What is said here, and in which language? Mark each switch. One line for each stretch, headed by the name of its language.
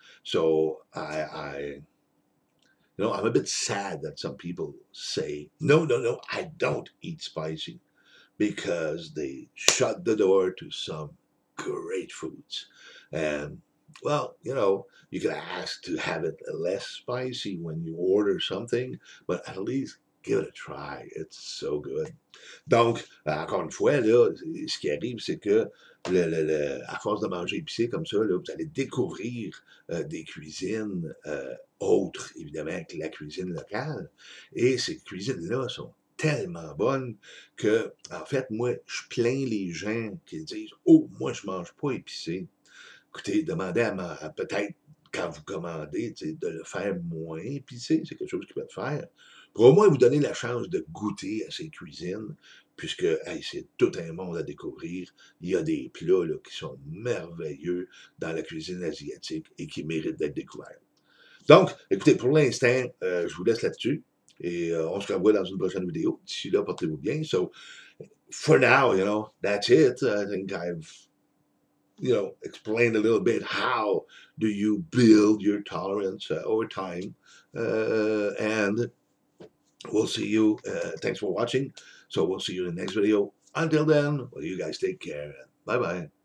English: So you know, I'm a bit sad that some people say, no, I don't eat spicy because they shut the door to some great foods. And well, you know, you can ask to have it less spicy when you order something, but at least give it a try. It's so good.
French: Donc, encore une fois, là, ce qui arrive, c'est que à force de manger épicé comme ça, là, vous allez découvrir des cuisines autres, évidemment, que la cuisine locale. Et ces cuisines-là sont tellement bonnes que, en fait, moi, je plains les gens qui disent, oh, moi, je mange pas épicé. Écoutez, demandez à peut-être quand vous commandez, t'sais, de le faire moins épicé, c'est quelque chose qui peut le faire. Pour au moins vous donner la chance de goûter à ces cuisines, puisque hey, c'est tout un monde à découvrir. Il y a des plats là, qui sont merveilleux dans la cuisine asiatique et qui méritent d'être découverts. Donc, écoutez, pour l'instant, je vous laisse là-dessus et on se revoit dans une prochaine vidéo. D'ici là, portez-vous bien.
English: So, for now, you know, that's it. I think I've, you know, explained a little bit how do you build your tolerance over time. And we'll see you. Thanks for watching. So we'll see you in the next video. Until then, well, you guys take care and bye-bye.